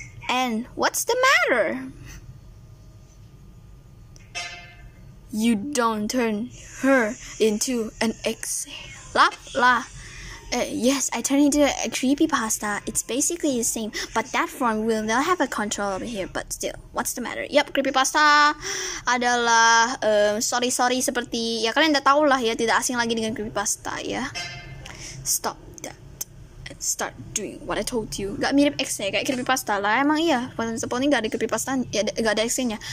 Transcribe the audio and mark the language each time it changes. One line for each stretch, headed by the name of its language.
English: And what's the matter? You don't turn her into an exe. Lah. Yes, I turned into a creepypasta. It's basically the same, but that form will not have a control over here. But still, what's the matter?
Indonesian: Yup, creepypasta adalah sorry seperti ya kalian udah tahu lah ya, tidak asing lagi dengan creepypasta ya.
English: Stop that and start doing what I told you.
Indonesian: Gak mirip X ya, kayak creepypasta lah. Emang iya, pada sepon ini gak ada creepypasta, ya gak ada X-nya.